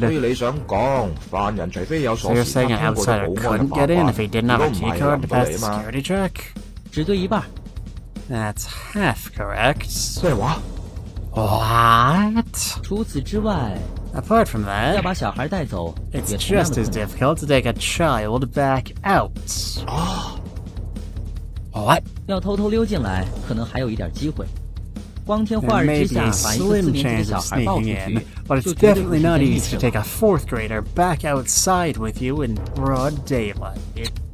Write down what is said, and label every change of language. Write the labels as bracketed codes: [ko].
[en] So you're saying an outsider couldn't get in if he didn't have a key card to pass the security check? [zh] 只对一半 [en] That's half correct. [zh] 对我 [en] What? [zh] 除此之外 [en] Apart from that, [zh] 要把小孩带走 [en] It's just as difficult to take a child back out. What? [zh] 要偷偷溜进来可能还有一点机会光天化日之下 [en] There may be a slim chance of sneaking in, but it's definitely not easy to take a fourth grader back outside with you in broad daylight.